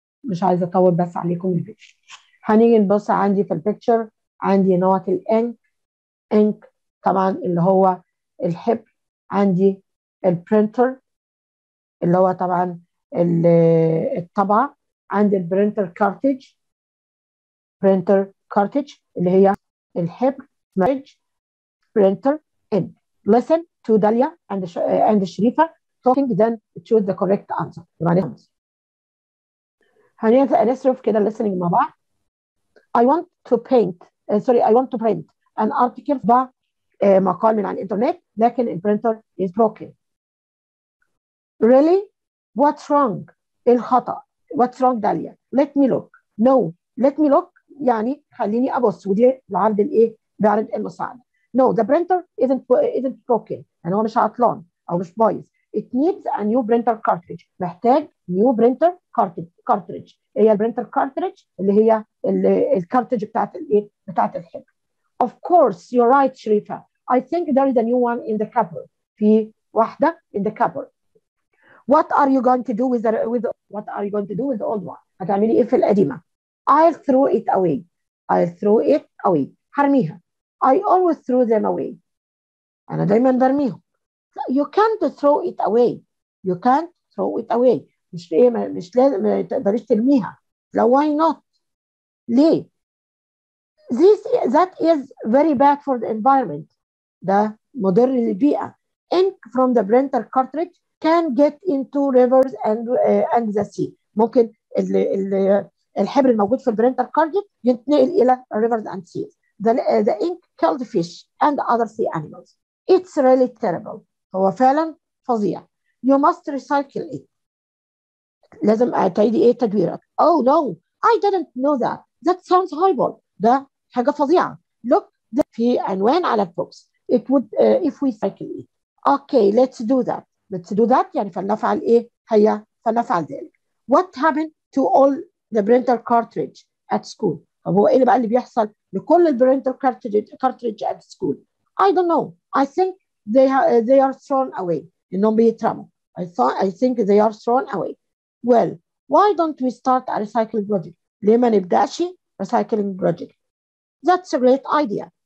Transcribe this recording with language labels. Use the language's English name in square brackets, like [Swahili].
[Arabic] مش عايزة أطول بس عليكم البيت. هنيجي نبص عندي في البيكتشر، عندي نوت الإنك، إنك طبعا اللي هو الحبر، عندي البرينتر اللي هو طبعا الطبعة، عندي البرينتر كارتج، برينتر كارتج اللي هي الحبر، مارج برينتر ان [English] listen to Dalia and Sharifa talking then choose the correct answer. [Arabic] يعني هنصرف كده listening مع بعض. [English] I want to paint sorry I want to print an article by [Arabic] مقال من على الانترنت لكن البرينتر [English] is broken. Really what's wrong [Arabic] الخطأ [English] What's wrong, Dalia? Let me look. No, let me look. [Arabic] يعني خليني أبص. ودي العرض الإيه؟ بعرض المساعدة. [English] No, the printer isn't broken. [Arabic] يعني هو مش عطلان أو مش بايظ. [English] It needs a new printer cartridge. [Arabic] محتاج [English] new printer cartridge. [Arabic] هي البرينتر cartridge اللي هي الكارتج بتاعت الإيه؟ بتاعت الحبر. [English] Of course, you're right, Sharifa. I think there is a new one in the cupboard. [Arabic] في واحدة [English] in the cupboard. What are you going to do with the what are you going to do with the old one? [Arabic] هتعملي ايه في القديمة؟ [English] I'll throw it away. I'll throw it away. [Arabic] هرميها. [English] I always throw them away. [Arabic] أنا دايما برميهم. [English] You can't throw it away. You can't throw it away. [Arabic] مش ايه مش لازم ما تقدريش ترميها. لا [English] why not? [Arabic] ليه؟ [English] This that is very bad for the environment. [Arabic] ده مضر للبيئة. [English] Ink from the printer cartridge can get into rivers and the sea. [Arabic] ممكن الحبر الموجود في البرينتر كارديت ينتقل الى [English] rivers and seas. The ink killed fish and other sea animals. It's really terrible. [Arabic] هو فعلا فظيع. [English] You must recycle it. [Arabic] لازم تعيدي ايه تدويره. [English] Oh no, I didn't know that. That sounds horrible. [Arabic] ده حاجه فظيعه. [English] Look, [Arabic] في عنوان على البوكس. [English] It would if we recycle it. Okay, let's do that. Let's do that [Arabic] يعني فلنفعل ايه؟ هيا فلنفعل ذلك. [English] What happened to all the printer cartridge at school؟ [Arabic] طب هو ايه اللي بقى اللي بيحصل لكل البرينتر [English] cartridge at school؟ I don't know. I think they are thrown away. [Arabic] انهم بيترموا. [English] I think they are thrown away. Well, why don't we start a recycling project؟ [Arabic] ليه ما نبداش [English] recycling project؟ That's a great idea.